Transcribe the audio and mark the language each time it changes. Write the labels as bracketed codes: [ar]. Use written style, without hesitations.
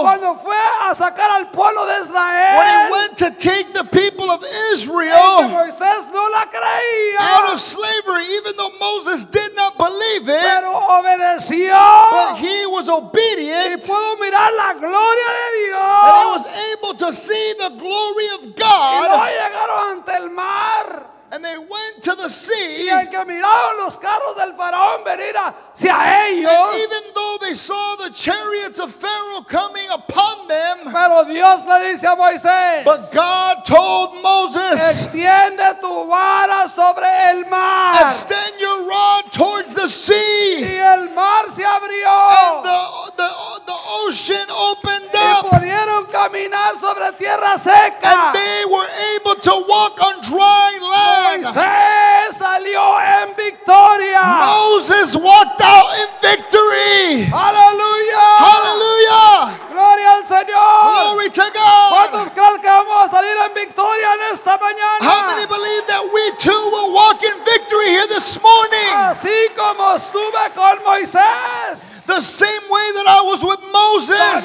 [es] cuando fue a sacar al pueblo de Israel, [en] when he went to take the people of Israel, [es] y que Moisés no la creía, [en] out of slavery, even though Moses did not believe it, [es] pero obedeció, [en] but he was obedient, [es] y pudo mirar la gloria de Dios, [en] and he was able to see the glory of God. And they went to the sea. [es] Y en que miraron los carros del faraón venir hacia ellos. [en] And even though they saw the chariots of Pharaoh coming upon them. [es] Pero Dios le dice a Moisés, [en] but God told Moses. [es] Extiende tu vara sobre el mar. [en] Extend your rod towards the sea. [es] Y el mar se abrió. [en] And the ocean opened up. [es] Y pudieron caminar sobre tierra seca. [en] And they were able to walk on dry land. [es] Moisés salió en victoria. [en] Moses walked out in victory. [es] Hallelujah. [en] Hallelujah. [es] Gloria al Señor. [en] Glory to God. [es] ¿Cuántos creen que vamos a salir en victoria en esta mañana? [en] How many believe that we too will walk in victory here this morning? [es] Así como estuve con Moisés, [en] the same way that I was with Moses,